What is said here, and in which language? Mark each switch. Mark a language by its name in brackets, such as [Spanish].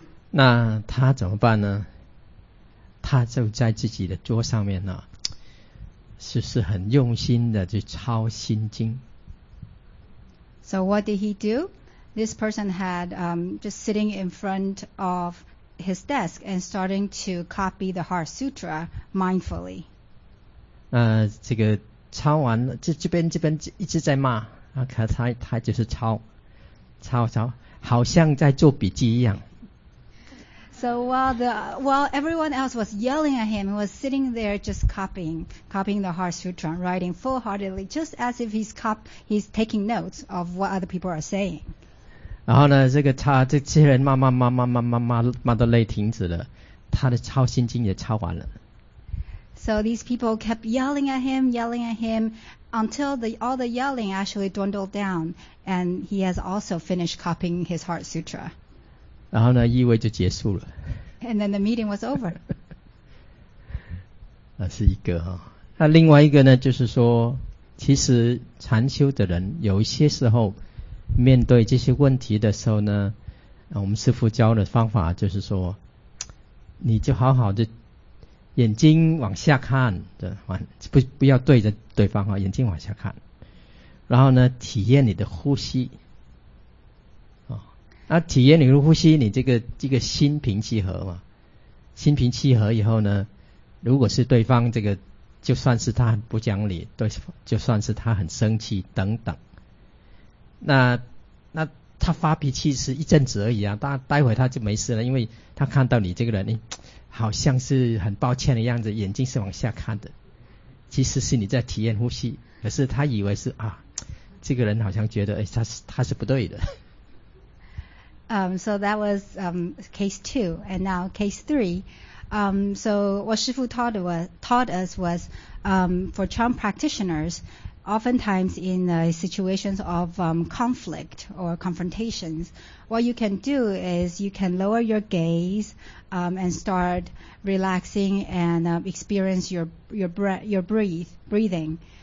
[Chinese] 那他怎么办呢？他就在自己的桌上面呢，就是很用心的去抄心经。 [English] So what did he do? This person had just sitting in front of his desk and starting to copy the Heart Sutra mindfully. [Chinese] 这个抄完了，这边一直在骂，啊，他就是抄，好像在做笔记一样。 [English] So while everyone else was yelling at him, he was sitting there just copying the Heart Sutra, writing full heartedly, just as if he's taking notes of what other people are saying. [Chinese] 然后呢，这些人骂到累停止了，他的抄心经也抄完了。 [English] So these people kept yelling at him, until all the yelling actually dwindled down, and he has also finished copying his heart sutra. [Chinese] 然后呢，议会就结束了。 [English] And then the meeting was over. [Chinese] 那是一个哈、哦，那另外一个呢，就是说，其实禅修的人有一些时候面对这些问题的时候呢，我们师父教的方法就是说，你就好好的。眼睛往下看，对，不要对着对方，眼睛往下看，然后呢体验你的呼吸、哦、那体验你的呼吸，你这个心平气和嘛，心平气和以后呢，如果是对方这个就算是他很不讲理，对，就算是他很生气等等，那他发脾气是一阵子而已啊，待会他就没事了，因为他看到你这个人好像是很抱歉的样子，眼睛是往下看的，其实是你在体验呼吸，可是他以为是啊，这个人好像觉得、哎、他是不对的。 [English] So that was case two, and now case three. So what 师父 taught us was for Chan practitioners. Oftentimes in situations of conflict or confrontations, what you can do is you can lower your gaze and start relaxing and experience your breathing.